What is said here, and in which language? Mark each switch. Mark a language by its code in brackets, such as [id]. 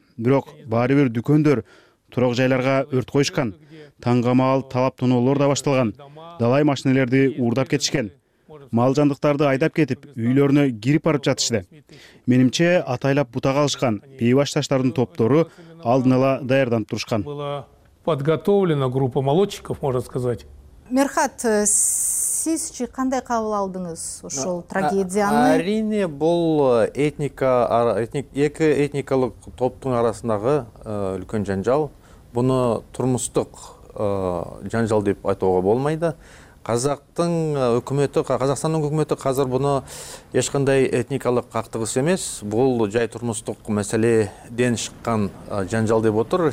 [ky] Бирок баары бир дүкөндөр, турак жайларга өрт коюшкан. Таңга маал талап тоноолор да башталган. Далай машинелерди уурдап кетишкен. Мал жандыктарды айдап кетип, үйлөрүнө кирип барып жатышты. Менимче, атайлап бута калышкан бейбашташтардын топтору алдын ала даярданып турушкан. [ru] Подготовлена группа молодчиков, можно сказать. [ky] Мерхат, сизчи кандай кабыл алдыңыз ошол трагедияны? Арине, бул эки этникалык топтун арасындагы үлкөн жанжал. Буну турмуштук жанжал деп айтууга болмайт. Казакстандын өкмөтү азыр буну эч кандай этникалык кактыгыш эмес, бул жай турмуштук маселеден чыккан жанжал деп отур.